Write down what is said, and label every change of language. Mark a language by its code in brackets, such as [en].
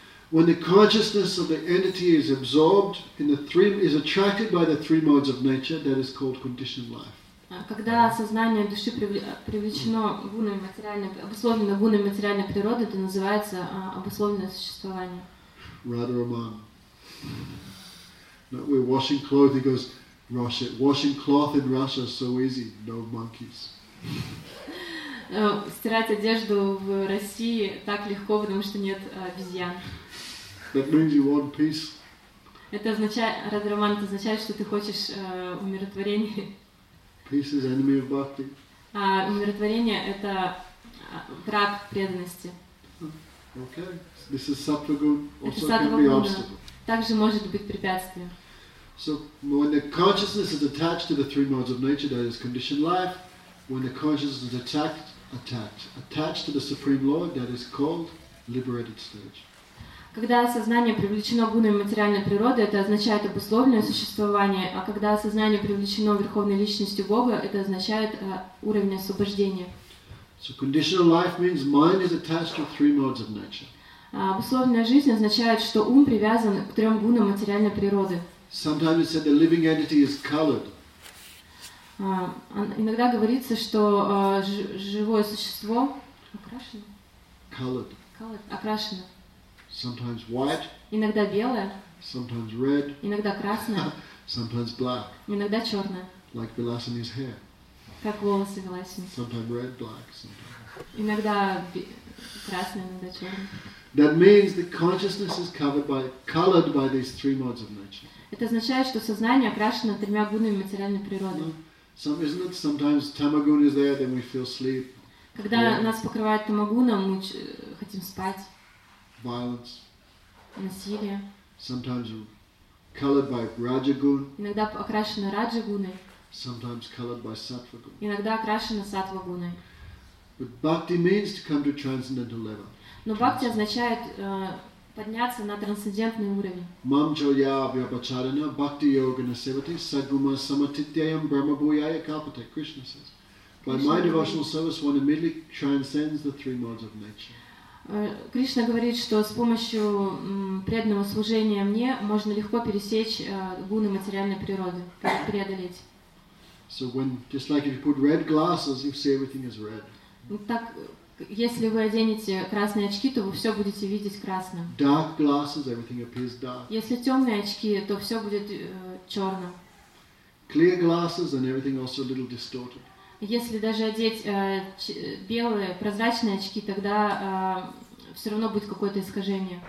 [en] When the consciousness of the entity is absorbed in the three, is attracted by the three modes of nature, that is called conditioned life. [ru] Когда сознание души привлечено гунами материальной, обусловлено гунами материальной природы, это называется обусловленное существование. [en] Radharaman. Not we're washing clothes. He goes, Russia. Washing cloth in Russia is so easy. No monkeys. [ru] Стирать одежду в России так легко, потому что нет обезьян. [en] That means you want peace. [ru] Это означает, Радхараман, это означает, что ты хочешь умиротворения. [en] Peace is enemy of bhakti. [ru] А умиротворение — это враг преданности. [en] Okay. This is sattva-gun. Also can be obstacle. [ru] Также может быть препятствие. [en] So when the consciousness is attached to the three modes of nature, that is conditioned life, when the consciousness is attached to the supreme law, that is called liberated stage. [ru] Когда сознание привлечено гунами материальной природы, это означает обусловленное существование, а когда сознание привлечено верховной личностью Бога, это означает уровень освобождения. [en] So conditional life means mind is attached to three modes of nature. [ru] Обусловленная жизнь означает, что ум привязан к трем гунам материальной природы. [en] Sometimes it's said the living entity is colored. [ru] Иногда говорится, что живое существо окрашено. [en] Colored. Colored. [ru] Окрашено. [en] Sometimes white. [ru] Иногда белое. [en] Sometimes red. [ru] Иногда красное. [en] Sometimes black. [ru] Иногда черное. [en] Like Vilasini's hair. [ru] Как волосы Vilasini. [en] Sometimes red, black. Sometimes. [ru] Иногда красное, иногда черное. [en] That means the consciousness is colored by these three modes of nature. [ru] Это означает, что сознание окрашено тремя гунами материальной природы. [en] Some isn't it? Sometimes tamaguna is there, then we feel sleep. [ru] Когда нас покрывает тамагуна, мы хотим спать. [en] Violence. [ru] Насилие. [en] Sometimes colored by rajaguna. [ru] Иногда окрашено раджагуной. [en] Sometimes colored by sattvaguna. [ru] Иногда окрашено сатвагуной. [en] But bhakti means to come to transcendental level. [ru] Но бхакти означает подняться на трансцендентный уровень. [sa] Мамчоя вьябачарина бхакти йога на севати садгума саматитьяям брахмабуяя калпате. [en] Кришна says, by my devotional service one immediately transcends the three modes of nature. [ru] Кришна говорит, что с помощью преданного служения мне можно легко пересечь гуны материальной природы, преодолеть. [en] So when just like if you put red glasses, you see everything is red. [ru] Так. Если вы оденете красные очки, то вы все будете видеть красным. [en] Dark glasses, everything appears dark. [ru] Если темные очки, то все будет черным. [en] Clear glasses, and everything also a little distorted. [ru] Если даже одеть белые прозрачные очки, тогда все равно будет какое-то искажение.